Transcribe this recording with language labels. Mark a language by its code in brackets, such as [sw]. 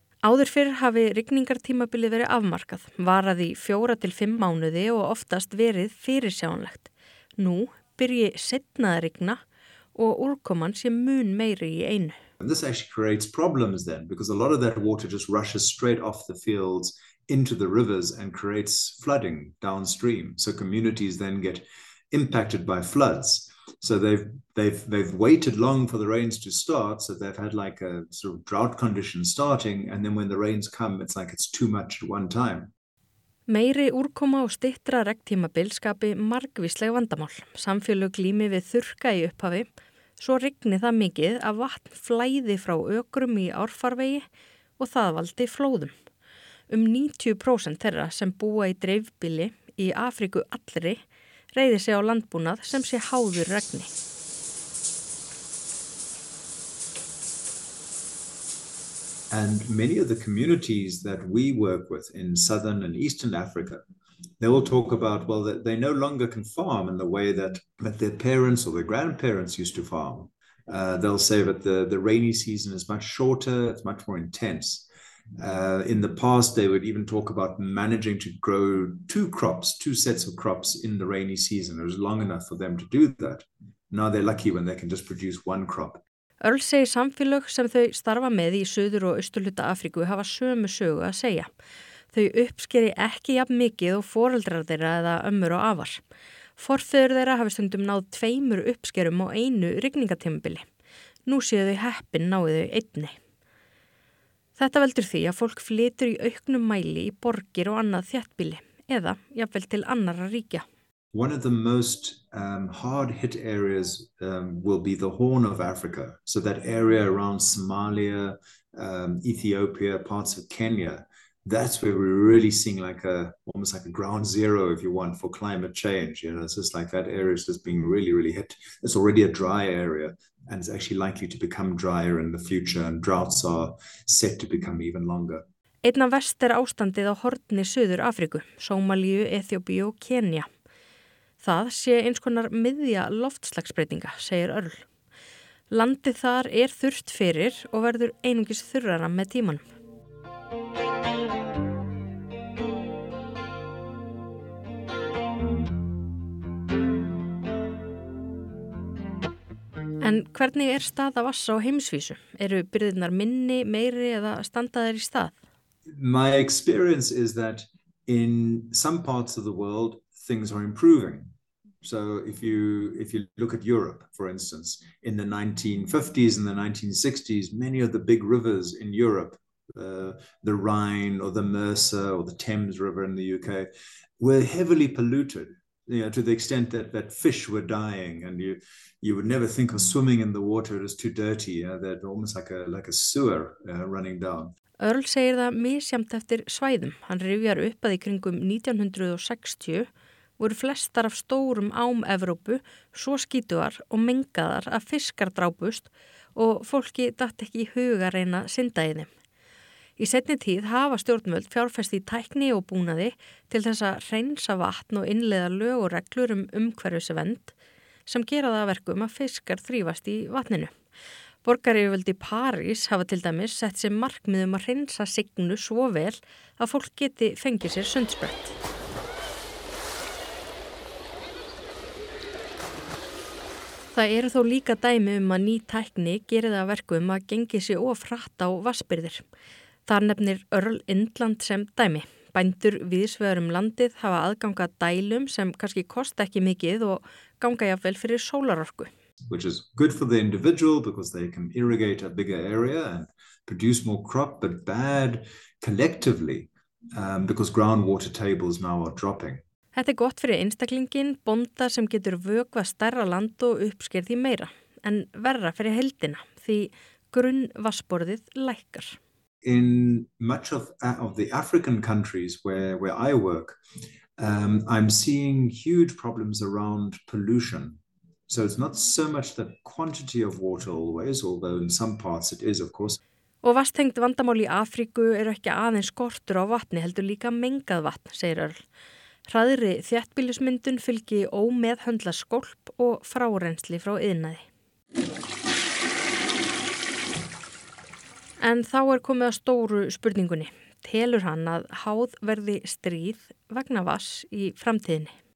[is] Áður fyrr hafi rigningartímabilið verið afmarkað, varað í 4 til 5 mánuði og oftast verið fyrirsjáanlegt. Nú byrji seinna að rigna og úrkoman sé mun meiri í einu. [en] And this actually creates problems then, because a lot of that water just rushes straight off the fields into the rivers and creates flooding downstream. So communities then get impacted by floods. So they've waited long for the rains to start, so they've had like a sort of drought condition starting, and then when the rains come, it's like it's too much at one time. [is] Meiri úrkoma og styttra regntímabil skapi margvísleg vandamál. Samfélög glími við þurrka í upphafi, svo rigni það mikið að vatn flæði frá ökrum í árfarvegi og það valdi flóðum. 90% þeirra sem búa í dreifbýli í Afríku allri reiði sig á landbúnað sem sé háður regni. [en] And many of the communities that we work with in southern and eastern Africa, they will talk about, well, that they no longer can farm in the way that their parents or their grandparents used to farm. They'll say that the rainy season is much shorter, it's much more intense. In the past, they would even talk about managing to grow two sets of crops in the rainy season. It was long enough for them to do that. Now they're lucky when they can just produce one crop. [is] Örl segir samfélög sem þau starfa með í suður og austurhluta Afríku hafa sömu sögu að segja. Þau uppskeri ekki jafn mikið og foreldrar þeirra eða ömmur og afar. Forfeður þeirra hafi stundum náð 2 uppskerum og 1 rigningatímabili. Nú séu þau heppin náðu þau einni. Þetta veldur því að fólk flytur í auknum mæli í borgir og annað þéttbýli eða jafnvel til annarra ríkja. [en] One of the most hard hit areas will be the Horn of Africa. So that area around Somalia, Ethiopia, parts of Kenya, that's where we're really seeing like almost like a ground zero, if you want, for climate change. You know, it's just like that area is just being really, really hit. It's already a dry area and it's actually likely to become drier in the future and droughts are set to become even longer. [is] Einna verst ástandið á horni Suður Afríku, Somalíu, Ethiopia og Kenya. Það sé eins konar miðja loftslagsbreytinga, segir Örl. Landið þar þurrt fyrir og verður einungis þurrara með tímanum. En hvernig staða vatns á heimsvísu? Eru birðirnar minni, meiri eða standaðar í stað? [en] My experience is that in some parts of the world things are improving. So if you look at Europe, for instance, in the 1950s and the 1960s, many of the big rivers in Europe, the Rhine or the Mercer or the Thames River in the UK, were heavily polluted, you know, to the extent that fish were dying and you would never think of swimming in the water, it was too dirty, you know, they're almost like a sewer running down. [is] Örl segir það misjæmt eftir svæðum. Hann rifjar upp að í kringum 1960 voru flestar af stórum ám Evrópu, svo skítugar og mengaðar að fiskar drápust og fólki datt ekki í huga reyna synda í þeim. Í seinni tíð hafa stjórnvöld fjárfest í tækni og búnaði til þess að hreinsa vatn og innleiða lög og reglur umhverfisvernd sem gera það að verkum að fiskar þrífast í vatninu. Borgaryfirvöld í París hafa til dæmis sett sér markmið að hreinsa signu svo vel að fólk geti fengið sér sundsprett. Það eru þó líka dæmi að ný tækni gerir það verkum að gengi sig of hratt á vatnsbirðir. Þar nefnir Örl Indland sem dæmi. Bændur víðsvegarum landið hafa aðgang að dælum sem kannski kosta ekki mikið og ganga jafnvel fyrir sólarorku. [en] Which is good for the individual because they can irrigate a bigger area and produce more crop, but bad collectively because groundwater tables now are dropping. [is] Þetta gott fyrir einstaklingin, bónda sem getur vökva stærra land og uppsker því meira, en verra fyrir heildina, því grunn vatnsborðið lækkar. [en] In much of the African countries where I work, I'm seeing huge problems around pollution. So it's not so much the quantity of water always, although in some parts it is, of course. [is] Og vatnstengd vandamál í Afríku eru ekki aðeins skortur á vatni, heldur líka mengað vatn, segir Örl. Hraðri þéttbýlismyndun fylgi ómeðhöndla skólp og frárennsli frá iðnaði. En þá komið að stóru spurningunni. Telur hann að háð verði stríð vegna vass í framtíðinni?